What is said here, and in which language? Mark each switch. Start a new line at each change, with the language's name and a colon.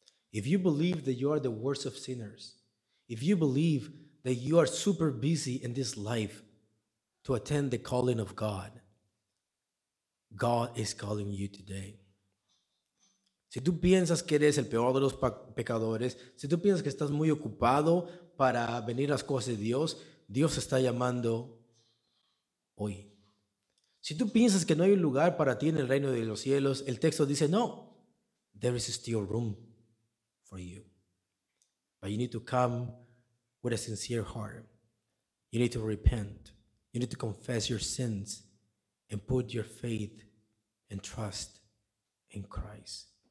English: If you believe that you are the worst of sinners, if you believe that you are super busy in this life to attend the calling of God, God is calling you today.
Spanish: Si tú piensas que eres el peor de los pecadores, si tú piensas que estás muy ocupado para venir a las cosas de Dios, Dios está llamando hoy. Si tú piensas que no hay un lugar para ti en el reino de los cielos, el texto dice no.
English: There is still room for you. But you need to come with a sincere heart. You need to repent. You need to confess your sins and put your faith and trust in Christ.